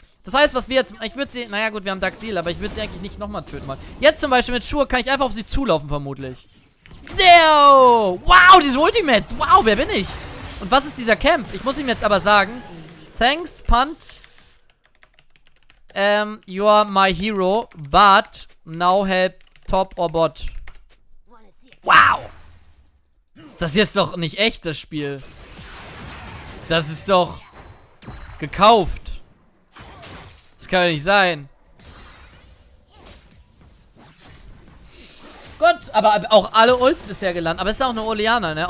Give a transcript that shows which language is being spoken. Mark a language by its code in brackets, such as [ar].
[de] Das heißt, was wir jetzt, ich würde sie, naja gut, wir haben Daxil, aber ich würde sie eigentlich nicht nochmal töten wollen. Jetzt zum Beispiel mit Schuhe kann ich einfach auf sie zulaufen, vermutlich. Xeo! Wow, diese Ultimate! Wow, wer bin ich? Und was ist dieser Camp? Ich muss ihm jetzt aber sagen, [en] thanks, [de] Punt. [en] You are my hero, but now help top or bot. Wow! [de] Das hier ist doch nicht echt, das Spiel. Das ist doch gekauft. Das kann ja nicht sein. Gut, aber auch alle Ults bisher gelandet. Aber es ist auch nur Orianna, ne?